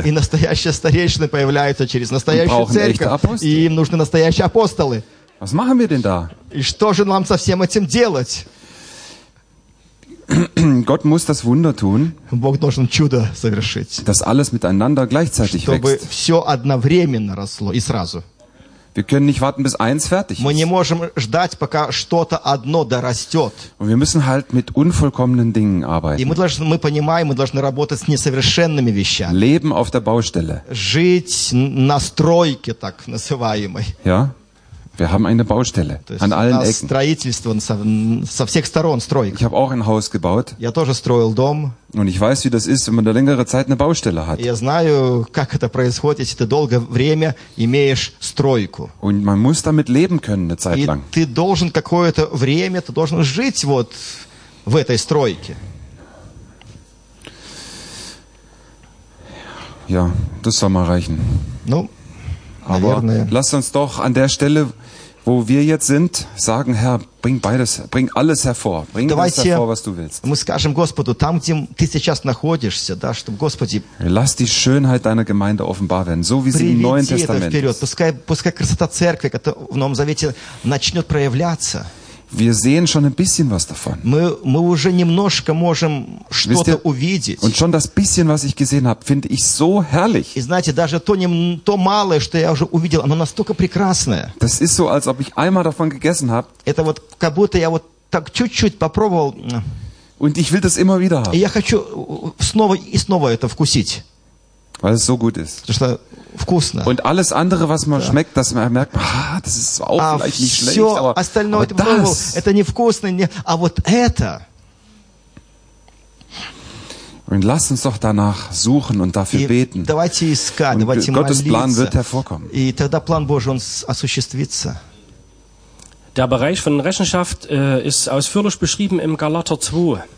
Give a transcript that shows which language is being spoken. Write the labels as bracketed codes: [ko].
[ru] И настоящие старейшины появляются через настоящую церковь. И им нужны настоящие апостолы. [de] Was machen wir denn da? [ru] И что же нам со всем этим делать? [de] Gott muss das Wunder tun, [ru] Бог должен чудо совершить. [de] Dass alles miteinander gleichzeitig [ru] чтобы [de] wächst. [ru] Все одновременно росло и сразу. [de] Wir können nicht warten, bis eins fertig ist. [ru] Мы не можем ждать, пока что-то одно дорастет. [de] Und wir müssen halt mit unvollkommenen Dingen arbeiten. [ru] И мы понимаем, мы должны работать с несовершенными вещами. [de] Leben auf der Baustelle. [ru] Жить на стройке, так называемой. [de] Ja? Wir haben eine Baustelle an allen Ecken. [ru] Строительство со всех сторон стройка. [de] Ich habe auch ein Haus gebaut. [ru] Я тоже строил дом. [de] Und ich weiß, wie das ist, wenn man eine längere Zeit eine Baustelle hat. [ru] Я знаю, как это происходит, если ты долгое время имеешь стройку. [de] Und man muss damit leben können eine Zeit lang. [ru] И ты должен какое-то время, ты должен жить вот в этой стройке. [de] Ja, das soll mal reichen. [ru] Ну. [de] Aber lasst uns doch an der Stelle, wo wir jetzt sind, sagen, Herr, bring beides, bring alles hervor. Bring alles hervor, was du willst. [ru] Мы скажем Господу, там, где ты сейчас находишься, да, чтобы Господи. [de] Lass die Schönheit deiner Gemeinde offenbar werden, so wie sie im Neuen Testament ist. [ru] Пускай красота церкви, которая в Новом Завете начнет проявляться. [de] Wir sehen schon ein bisschen was davon. [ru] Мы уже немножко можем что-то увидеть. [de] Und schon das bisschen, was ich gesehen habe, finde ich so herrlich. [ru] И знаете, даже то малое, что я уже увидел, оно настолько прекрасное. [de] Das ist so, als ob ich einmal davon gegessen habe. [ru] Это вот как будто я вот так чуть-чуть попробовал. [de] Und ich will das immer wieder haben. [ru] И я хочу снова и снова это вкусить. [de] Weil es so gut ist. [ru] Вкусно. [de] Und alles andere, was man schmeckt, das man merkt, das ist auch vielleicht nicht schlecht, aber [ru] остальное, [de] aber das, [ru] думал, это невкусно, не, а вот это. [de] Und lass uns doch danach suchen und dafür beten. [ru] Давайте искать, [de] und [ru] давайте [de] Gottes Plan wird hervorkommen. [ru] И тогда план Божий он осуществится. [de] Der Bereich von Rechenschaft ist ausführlich beschrieben im Galater 2.